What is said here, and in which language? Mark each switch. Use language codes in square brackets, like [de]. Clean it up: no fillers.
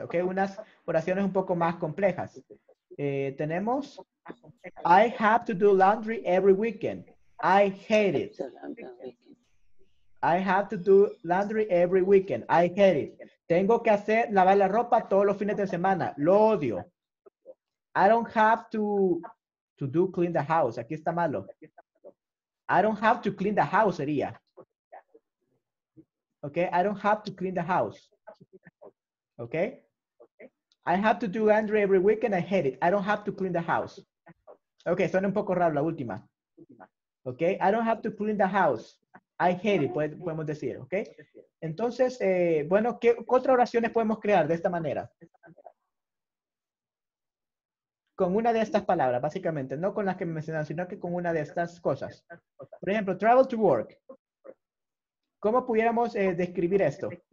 [es] Okay, unas oraciones un poco más complejas. Tenemos, [en] I have to do laundry every weekend. I hate it. I have to do laundry every weekend. I hate it. [es] Tengo que hacer lavar la ropa todos los fines de semana. Lo odio. [en] I don't have to do clean the house. [es] Aquí está malo. [en] I don't have to clean the house sería. Okay. I don't have to clean the house. Okay. I have to do laundry every weekend. I hate it. I don't have to clean the house. Okay. [es] Suena un poco raro la última. [en] Okay, I don't have to clean the house. I hate it, [es] podemos decir, [en] okay? [es] Entonces, bueno, ¿qué otras oraciones podemos crear de esta manera? Con una de estas palabras, básicamente, no con las que mencionan, sino que con una de estas cosas. Por ejemplo, [en] travel to work. [es] ¿Cómo pudiéramos describir esto?